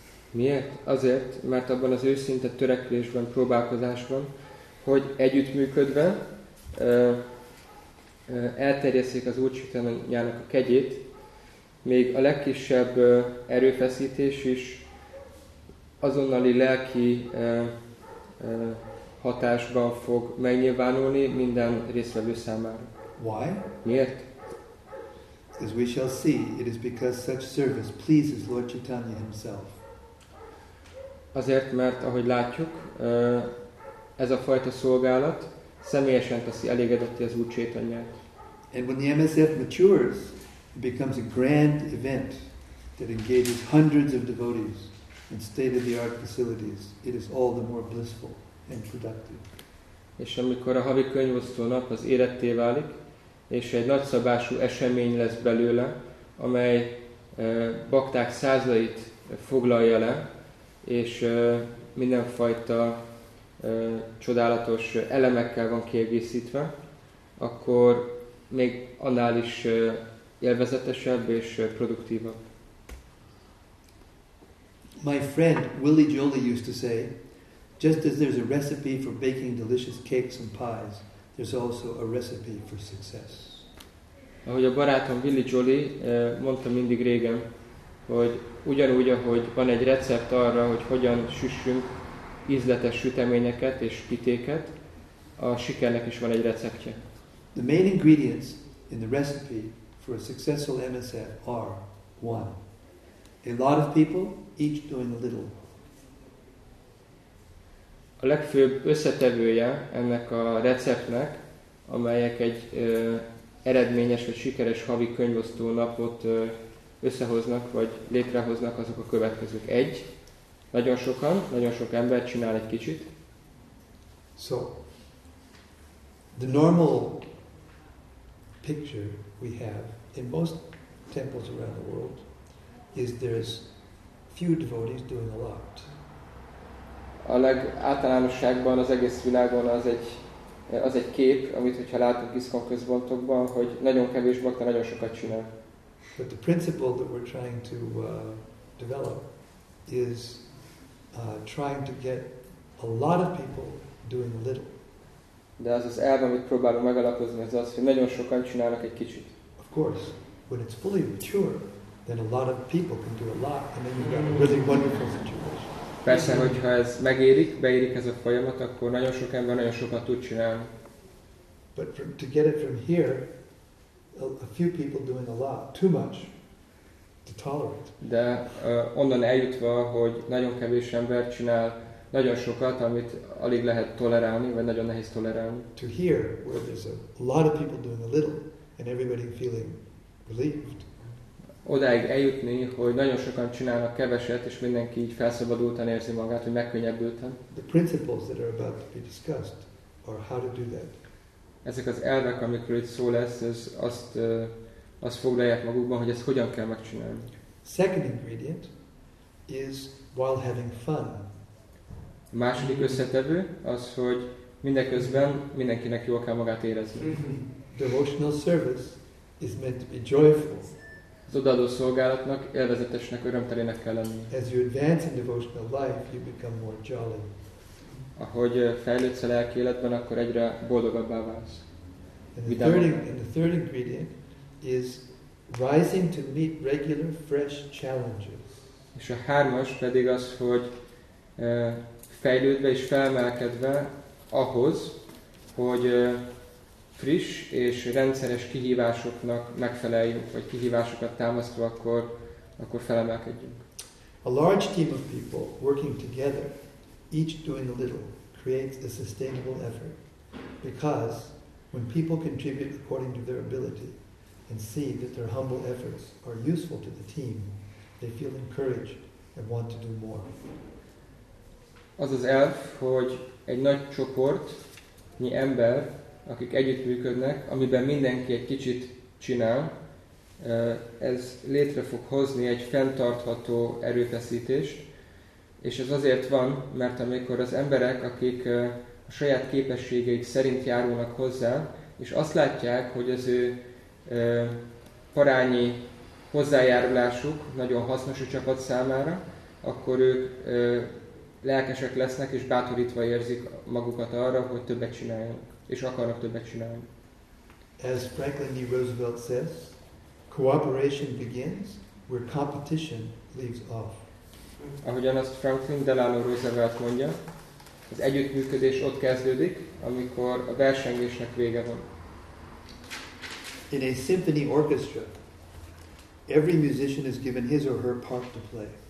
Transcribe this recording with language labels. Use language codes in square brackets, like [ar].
[hu] Miért? Azért, mert abban az őszinte törekvésben, próbálkozásban, hogy együttműködve elterjesszék az Úr Chaitanyának a kegyét, még a legkisebb erőfeszítés is azonnali lelki hatásban fog megnyilvánulni minden résztvevő számára. [en] Why? [hu] Miért? [en] As we shall see, it is because such service pleases Lord Chaitanya himself. [hu] Azért, mert ahogy látjuk, ez a fajta szolgálat személyesen teszi elégedetté az Úr Chaitanyát. [en] And when the MSF matures, it becomes a grand event that engages hundreds of devotees in state-of-the-art facilities. It is all the more blissful and productive. [hu] És amikor a havi könyvosztó nap az éretté válik, és egy nagyszabású esemény lesz belőle, amely bakták százait foglalja le, és mindenfajta csodálatos elemekkel van kiegészítve, akkor még annál is élvezetesebb és produktívabb. [en] My friend Willie Jolly used to say, just as there's a recipe for baking delicious cakes and pies, there's also a recipe for success. [hu] Ahogy a barátom Willie Jolly mondta mindig régen, hogy ugyanúgy, ahogy van egy recept arra, hogy hogyan süssünk ízletes süteményeket és pitéket, a sikernek is van egy receptje. [en] The main ingredients in the recipe for a successful MSF are 1. A lot of people, each doing a little. [hu] A legfőbb összetevője ennek a receptnek, amelyek egy eredményes vagy sikeres havi könyvosztó napot összehoznak, vagy létrehoznak, azok a következők. Egy, nagyon sokan, nagyon sok ember csinál egy kicsit. [en] So, the normal picture we have in most temples around the world is there's few devotees doing a lot. [hu] A legáltalánosságban az egész világon az egy kép, amit hogyha látunk ISKCON központokban, hogy nagyon kevés bakta nagyon sokat csinál. [en] But the principle that we're trying to develop is trying to get a lot of people doing a little. [hu] De az elv, amit próbálunk megalapozni, az az, hogy nagyon sokan csinálnak egy kicsit. [en] Of course, when it's fully mature, then a lot of people can do a lot, and then you've got a really wonderful situation. [hu] Persze, hogyha ez megérik, beérik ez a folyamat, akkor nagyon sok ember nagyon sokat tud csinálni. [en] But to get it from here, a few people doing a lot, too much to tolerate. [hu] De onnan eljutva, hogy nagyon kevés ember csinál nagyon sokat, amit alig lehet tolerálni, vagy nagyon nehéz tolerálni. [en] To here, where there's a lot of people doing a little, and everybody feeling relieved. [hu] Odáig eljutni, hogy nagyon sokan csinálnak keveset, és mindenki így felszabadultan érzi magát, hogy megkönnyebbültem. [en] The principles that are about to be discussed are how to do that. [hu] Ezek az elvek, amikről itt szó lesz, ez azt foglalják magukban, hogy ezt hogyan kell megcsinálni. [en] Second ingredient is while having fun. [hu] A második összetevő az, hogy mindeközben mindenkinek jól kell magát érezni. [en] Devotional service is meant to be joyful. [hu] Az odaadó szolgálatnak, élvezetesnek, örömtelének kell lenni. [en] As you advance in devotional life, you become more jolly. [hu] Ahogy fejlődsz a lelki életben, akkor egyre boldogabbá válsz. [en] And the third ingredient is rising to meet regular fresh challenges. [hu] És a hármas pedig az, hogy fejlődve és felemelkedve ahhoz, hogy friss és rendszeres kihívásoknak megfeleljünk, vagy kihívásokat támasztva, akkor felemelkedjünk. [en] A large team of people working together, each doing a little, creates a sustainable effort. Because when people contribute according to their ability and see that their humble efforts are useful to the team, they feel encouraged and want to do more. [hu] Az az elf, hogy egy nagy csoportnyi ember, akik együttműködnek, amiben mindenki egy kicsit csinál, ez létre fog hozni egy fenntartható erőfeszítést. És ez azért van, mert amikor az emberek, akik a saját képességeik szerint járulnak hozzá, és azt látják, hogy az ő parányi hozzájárulásuk nagyon hasznos a csapat számára, akkor ők lelkesek lesznek, és bátorítva érzik magukat arra, hogy többet csináljanak, és akarnak többet csinálni. [en] As Franklin D. Roosevelt says, cooperation begins where competition leaves off. [hu] Ahogyan azt Franklin Delano Roosevelt mondja, az együttműködés ott kezdődik, amikor a versengésnek vége van. [en] In a symphony orchestra, every musician is given his or her part to play.